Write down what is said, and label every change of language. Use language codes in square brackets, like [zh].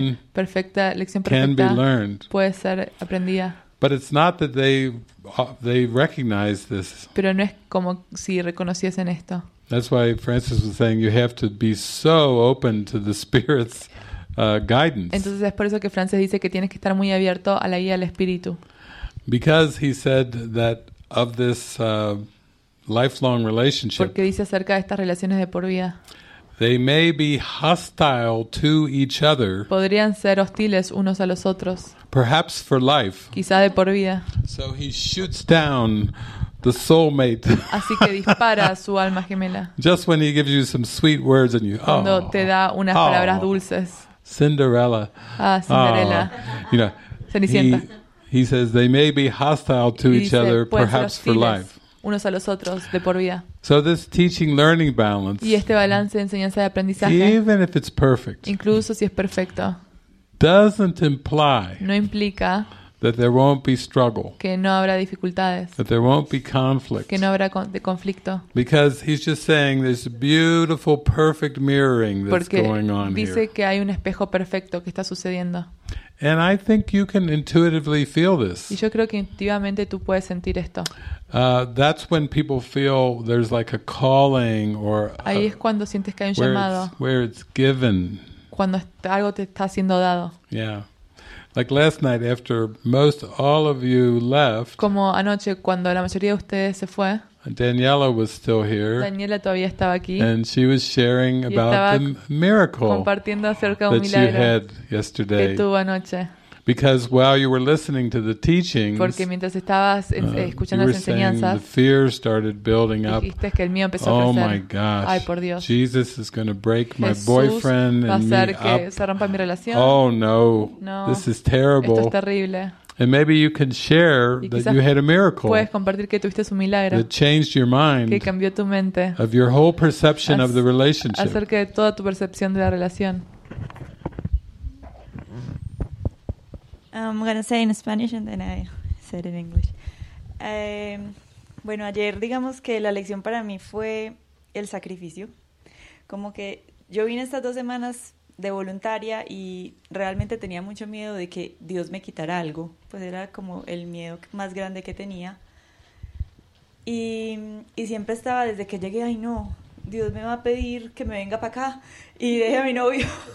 [en] Lesson [es] perfecta lección [en] can [es] perfecta [en] be learned. [es] Puede ser aprendida. [en] But it's not that they recognize this. [es] Pero no es como si reconociesen esto. [en] That's why Francis was saying you have to be so open to the Spirit's guidance. [es] Entonces es por eso que Francis dice que tienes que estar muy abierto a la guía del Espíritu. [en] Because he said that of this lifelong relationship. [es] Porque dice acerca de estas relaciones de por vida. [en] They may be hostile to each other. [es] Podrían ser hostiles unos a los otros. [en] Perhaps for life. [es] Quizá de por vida. [en] So he shoots down the soulmate. [es] Así que dispara a su alma gemela. [en] Just when he gives you some sweet words and you, [es] cuando te da unas palabras dulces. [en] Cinderella. Ah, Cinderella. You know, [es] Cenicienta. [en] He says they may be hostile to [es] dice, [en] each other, perhaps for life. [es] Unos a los otros, de por vida. [en] So this teaching learning balance, [es] y este balance de enseñanza y aprendizaje, [en] even if it's perfect, [es] incluso si es perfecto, [en] doesn't imply, [es] no implica, [en] that there won't be struggle, [es] que no habrá dificultades, [en] that there won't be conflict, [es] que no habrá conflicto, [en] because he's just saying there's beautiful, perfect mirroring that's [es] porque [en] going on [es] dice [en] here. [es] Que hay un espejo perfecto que está sucediendo. [en] And I think you can intuitively feel this. [es] Y yo creo que intuitivamente tú puedes sentir esto. [en] That's when people feel there's like a calling or [es] ahí es cuando sientes que hay un llamado. [en] Where it's given. [es] Cuando algo te está siendo dado. [en] Yeah. Like last night after most all of you left. [es] Como anoche cuando la mayoría de ustedes se fue. [en] Daniela was still here. [es] Daniela todavía estaba aquí. [en] And she was sharing about the miracle [es] compartiendo acerca [en] that [es] milagro [en] you had yesterday. [es] Que tuvo anoche. [en] Because while you were listening to the teachings, [es] porque mientras estabas escuchando [en] you were [es] las enseñanzas, [en] saying the fear started building up. [es] Dijiste que el miedo empezó a crecer. [en] Oh my gosh. [es] Ay, por Dios. [en] Jesus is going to break my boyfriend [es] va a hacer [en] and me [es] que [en] up. [es] Se rompa mi relación. [en] Oh no. [es] No. [en] This is terrible. [es] Esto es terrible. [en] And maybe you can share that you had a miracle. [es] Puedes compartir que tuviste un milagro. [en] That changed your mind. [es] Que cambió tu mente. [en] Of your whole perception of the relationship. [es] Acerca de toda tu percepción de la relación. [en] I'm going to say in Spanish and then I said in English. [es] Bueno, ayer digamos que la lección para mí fue el sacrificio. Como que yo vine estas dos semanas de voluntaria y realmente tenía mucho miedo de que Dios me quitara algo. Pues era como el miedo más grande que tenía. Y siempre estaba desde que llegué, ay no, Dios me va a pedir que me venga para acá y deje a mi novio.